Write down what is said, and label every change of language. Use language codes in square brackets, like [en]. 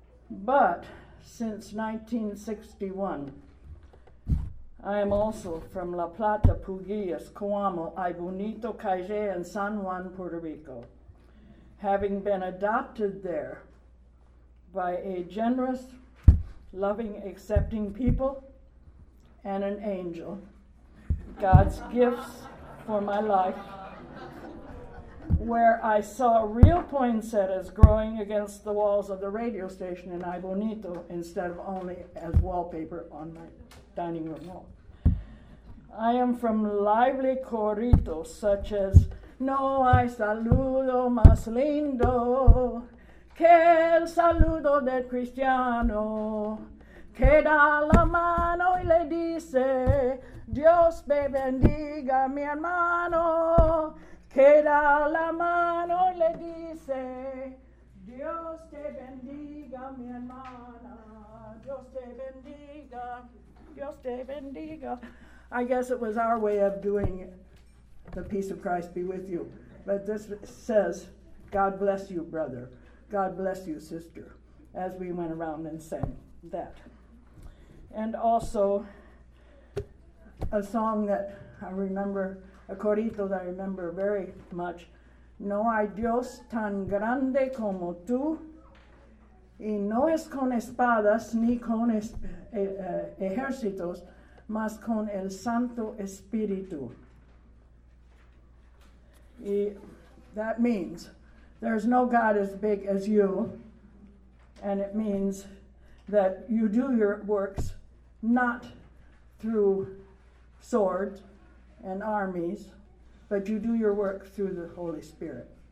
[en] But since 1961, I am also from La Plata, Puguillas, Coamo, Aibonito, Cayey, and San Juan, Puerto Rico, having been adopted there by a generous, loving, accepting people and an angel, God's gifts for my life, where I saw real poinsettias growing against the walls of the radio station in Aibonito instead of only as wallpaper on my dining room wall. I am from lively corritos such as [es] No hay saludo más lindo que el saludo del cristiano que da la mano y le dice Dios me bendiga mi hermano que da la mano y le dice Dios te bendiga mi hermana Dios te bendiga Dios te bendiga. [en] I guess it was our way of doing it. The peace of Christ be with you. But this says, God bless you, brother. God bless you, sister, as we went around and sang that. And also a song that I remember, a corito that I remember very much. [es] No hay Dios tan grande como tú, y no es con espadas ni con ejércitos, mas con el Santo Espíritu. [en] That means there's no God as big as you, and it means that you do your works not through swords and armies, but you do your work through the Holy Spirit.